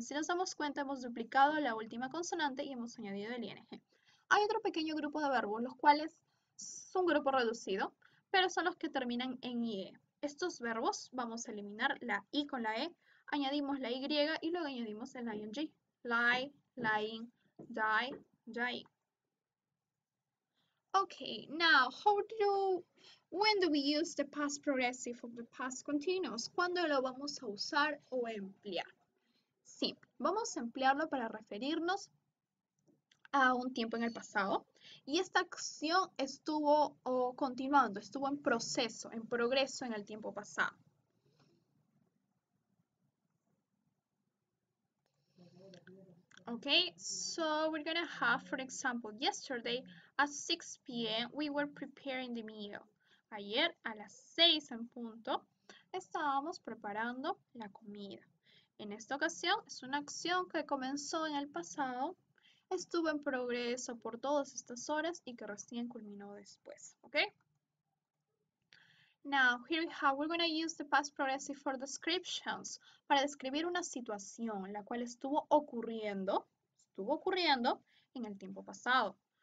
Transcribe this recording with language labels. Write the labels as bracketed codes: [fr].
[es] Si nos damos cuenta, hemos duplicado la última consonante y hemos añadido el ing. Hay otro pequeño grupo de verbos, los cuales son un grupo reducido, pero son los que terminan en ie. Estos verbos vamos a eliminar la i con la e, añadimos la y y luego añadimos el ing. [en] Lie, lying, die, dying. Ok, now, when do we use the past progressive of the past continuous? [es] ¿Cuándo lo vamos a usar o emplear? Sí, vamos a emplearlo para referirnos a un tiempo en el pasado y esta acción estuvo continuando, estuvo en proceso, en progreso en el tiempo pasado. [en] Okay, so we're gonna have, for example, yesterday at 6 p.m. we were preparing the meal. [es] Ayer a las 6 en punto estábamos preparando la comida. En esta ocasión es una acción que comenzó en el pasado, estuvo en progreso por todas estas horas y que recién culminó después. [en] ¿Okay? Now, here we have, we're going to use the past progressive for descriptions. [es] Para describir una situación la cual estuvo ocurriendo en el tiempo pasado.